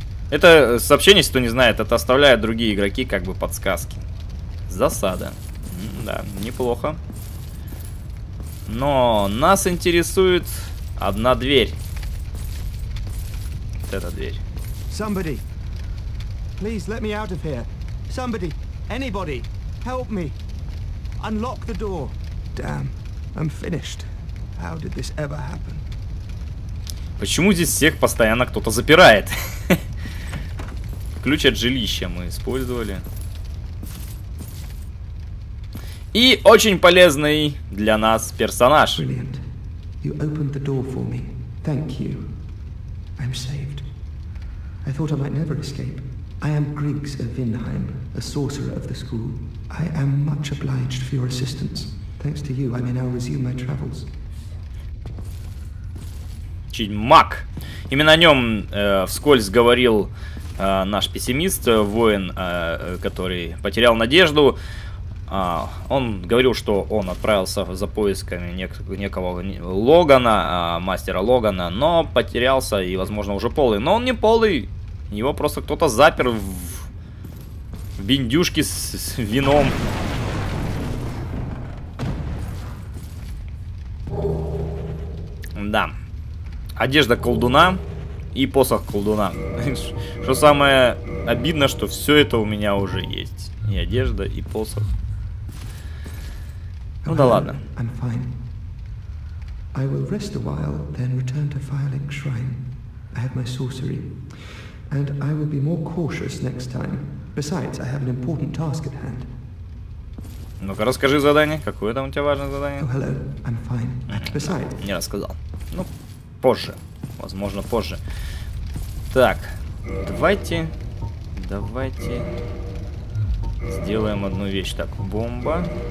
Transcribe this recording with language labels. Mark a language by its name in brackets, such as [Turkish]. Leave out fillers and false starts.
[Russian] Это сообщение, если кто не знает, это оставляют другие игроки, как бы подсказки. Засада. Да, неплохо. Но нас интересует одна дверь. Вот эта дверь. [English] Somebody. Please let me out of here. Somebody. Anybody. Help me. Unlock the door. Damn, I'm finished. How did this ever happen? [Russian] Почему здесь всех постоянно кто-то запирает? Ключ от жилища мы использовали. И очень полезный для нас персонаж. [English] Brilliant. You opened the door for me. Thank you. I'm saved. I thought I might never escape. I am Griggs of Vindheim, a sorcerer of the school. I am much obliged for your assistance. Thanks to you, I may now resume my travels. [Russian] Чиньмак. Именно о нем вскользь говорил наш пессимист, воин, который потерял надежду. Он говорил, что он отправился за поисками некого Логана, мастера Логана, но потерялся и, возможно, уже полый. Но он не полый, его просто кто-то запер в биндюшке с вином. Да. Одежда колдуна. И посох колдуна. Что самое обидное, что все это у меня уже есть. И одежда, и посох. Ну да ладно. [English] I'm fine. I will rest a while, then return to Firelink Shrine. I have my sorcery. And I will be more cautious next time. Besides, I have an important task at hand. [Russian] Ну-ка, расскажи задание. Какое там у тебя важное задание? [English] Oh, hello. I'm fine. Besides... [Russian] Не рассказал. Ну, позже. Возможно, позже. Так, давайте... Давайте... Сделаем одну вещь. Так, бомба.